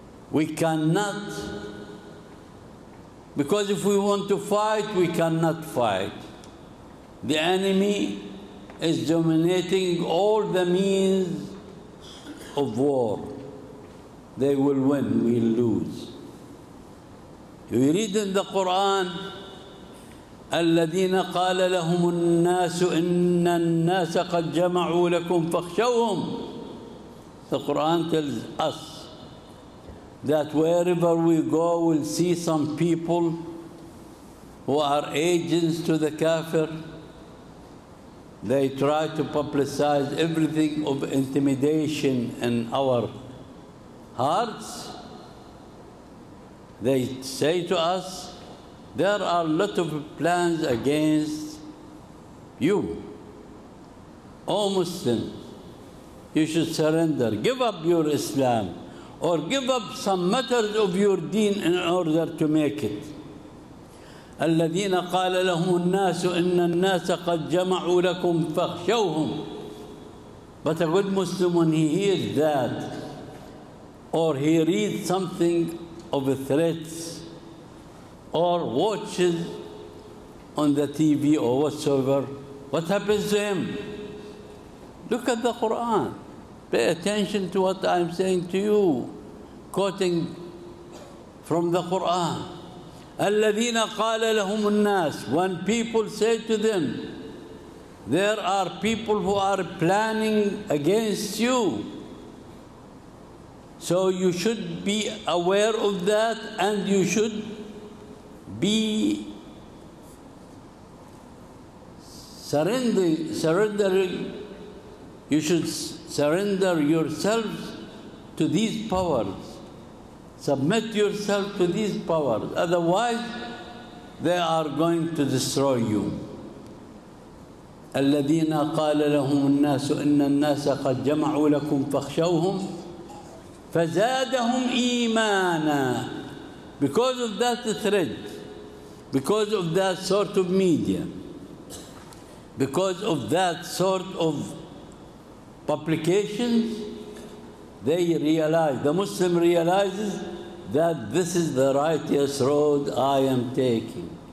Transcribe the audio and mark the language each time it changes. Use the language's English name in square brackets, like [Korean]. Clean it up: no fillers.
[English] We cannot, because if we want to fight, we cannot fight. The enemy is dominating all the means of war. They will win, we'll lose. You read in the Quran, [Arabic] الذين قال لهم الناس إن الناس قد جمعوا لكم فاخشوهم. [English] The Quran tells us that wherever we go, we'll see some people who are agents to the kafir. They try to publicize everything of intimidation in our hearts. They say to us, there are a lot of plans against you. O Muslim, you should surrender, give up your Islam, or give up some matters of your deen in order to make it. [Arabic] الذين قال لهم الناس إن الناس قد جمعوا لكم فاخشوهم. [English] But a good Muslim, when he hears that, or he reads something of threats, or watches on the TV or whatsoever, what happens to him? Look at the Quran. Pay attention to what I'm saying to you, quoting from the Quran. [Arabic] الذين قال لهم الناس, [English] when people say to them, there are people who are planning against you, so you should be aware of that and you should be surrendering, you should surrender yourself to these powers. Submit yourself to these powers, otherwise they are going to destroy you. [Arabic] الذين قال لهم الناس إن الناس قد جمعوا لكم فاخشوهم فزادهم إيمانا. [English] Because of that threat, because of that sort of media, because of that sort of publications, they realize, the Muslim realizes, that this is the righteous road I am taking.